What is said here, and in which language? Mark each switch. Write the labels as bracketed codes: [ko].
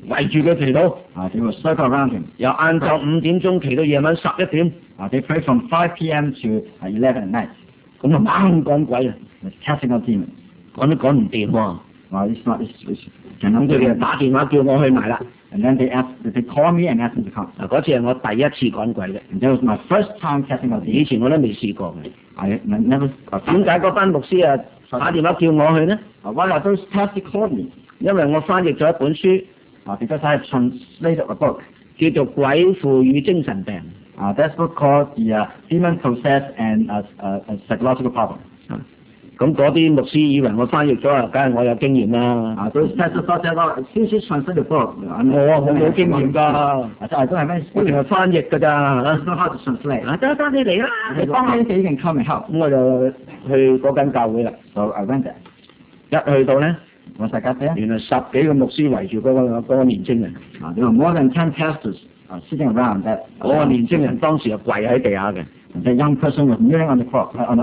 [yue] 圍住佢祈禱。 [en] They were circle around him. [yue] 由晏晝五點鐘祈到夜晚十一點。 [en] They prayed from 5 PM to 11 at night. [yue] 咁就猛趕鬼啊 [en] ，casting out demons. [yue] 趕都趕唔掂喎。 [en] It's not. [yue] 咁佢哋打電話叫我去埋啦。 [en] And then they asked, they call me and asked me to come. [yue] 嗱，嗰次係我第一次趕鬼嘅。 [en] That was my first time casting out demons. [yue] 以前我都未試過嘅。 [en] I never. [yue] 點解嗰班牧師啊？打電話叫我去呢 [en] Why are those pastors calling me? [yue] 因為我翻譯咗一本書 [en] Because I have translated a book [yue] 叫做《鬼附與精神病》 [en] That's book called The Demon Possess and a Psychological Problem [yue] 咁嗰啲牧師以為我翻譯咗梗係我有經驗啦 [en] Those pastors thought that well, since you translated a book [yue] 我冇經驗㗎 [en] I don't have any experience [yue] 我翻譯㗎咋 [en] It's not hard to translate [yue] 得你嚟啦你幫你幾件 come and help 咁我就去嗰間教會啦 [en] So I went there [yue] 一去到呢我大家聽原來十幾個牧師圍住嗰個年輕人 [en] There were more than 10 pastors sitting around that [yue] 嗰個年輕人當時就跪喺地下嘅 [en] The young person was kneeling on the cross